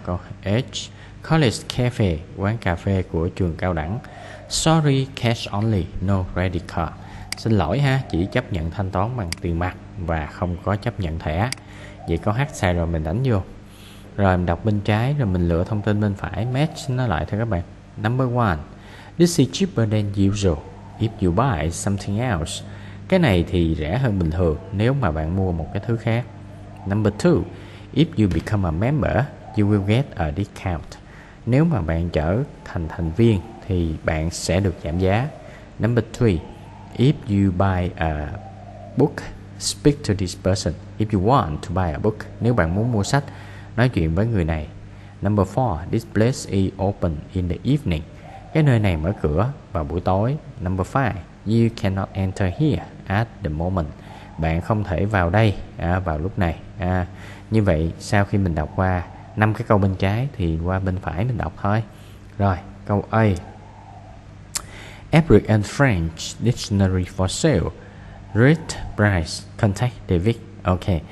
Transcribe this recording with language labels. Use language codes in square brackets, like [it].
[vi] Câu H, College Cafe, quán cà phê của trường cao đẳng. [en] Sorry, cash only, no credit card. [vi] Xin lỗi ha, chỉ chấp nhận thanh toán bằng tiền mặt và không có chấp nhận thẻ. Vậy có hát xài rồi mình đánh vô. Rồi mình đọc bên trái, rồi mình lựa thông tin bên phải, match nó lại thôi các bạn. [en] Number 1, this is cheaper than usual if you buy something else. [vi] Cái này thì rẻ hơn bình thường nếu mà bạn mua một cái thứ khác. [en] Number 2, if you become a member, you will get a discount. [vi] Nếu mà bạn trở thành thành viên thì bạn sẽ được giảm giá. [en] Number 3, if you buy a book, speak to this person. If you want to buy a book, [vi] nếu bạn muốn mua sách, nói chuyện với người này. [en] Number 4, this place is open in the evening. [vi] Cái nơi này mở cửa vào buổi tối. [en] Number 5, you cannot enter here at the moment. [vi] Bạn không thể vào đây vào lúc này. Như vậy, sau khi mình đọc qua 5 cái câu bên trái thì qua bên phải mình đọc thôi. Rồi, câu A. [en] Epic and French Dictionary for Sale. Read Price. Contact David. Ok.